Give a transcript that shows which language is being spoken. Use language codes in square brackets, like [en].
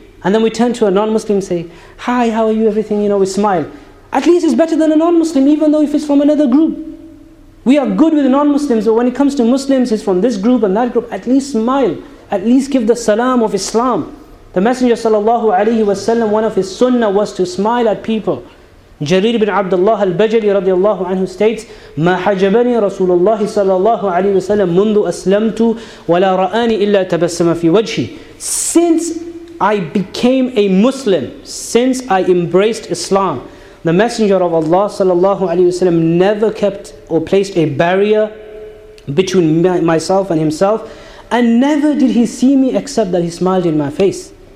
[en] And then we turn to a non-Muslim and say, hi, how are you, everything, you know, we smile. At least it's better than a non-Muslim, even though if it's from another group. We are good with non-Muslims, but when it comes to Muslims, it's from this group and that group, at least smile. At least give the salam of Islam. The Messenger sallallahu alayhi wa sallam, one of his sunnah was to smile at people. [ar] Jarir ibn Abdullah al-Bajali radiallahu anhu states, مَا حَجَبَنِي رَسُولَ اللَّهِ صَلَى اللَّهُ عَلَيْهِ وَسَلَّمُ مُنْذُ أَسْلَمْتُ وَلَا رَآنِي إِلَّا تَبَسَّمَ فِي وَجْهِ. [en] Since I became a Muslim, since I embraced Islam, the Messenger of Allah sallallahu alayhi wasallam never kept or placed a barrier between myself and himself, and never did he see me except that he smiled in my face.